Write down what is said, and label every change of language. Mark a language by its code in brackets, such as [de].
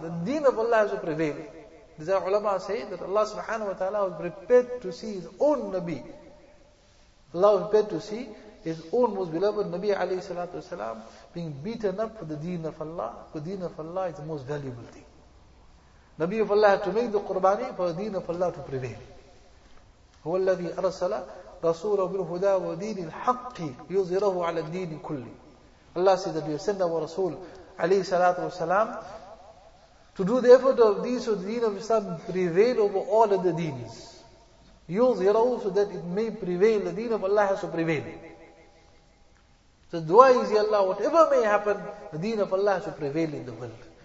[en] The deen of Allah has to prevail. This is how ulama say that Allah subhanahu wa ta'ala was prepared to see his own Nabi. Allah was prepared to see his own most beloved Nabi alayhi salatu wasalam being beaten up for the deen of Allah. For the deen of Allah is the most valuable thing. Nabi of Allah had to make the qurbani for the deen of Allah to prevail. [ar] هو الذي أرسل رسوله بالهدى ودين الحق يظهره على الدين كله. [en] Allah said that we have sent our Rasul alayhi salatu wasalam to do the effort of deen so the deen of Islam prevail over all of the deens. يظهره so that it may prevail. The deen of Allah has to prevail. So dua is, Ya Allah, whatever may happen, the deen of Allah has to prevail in the world.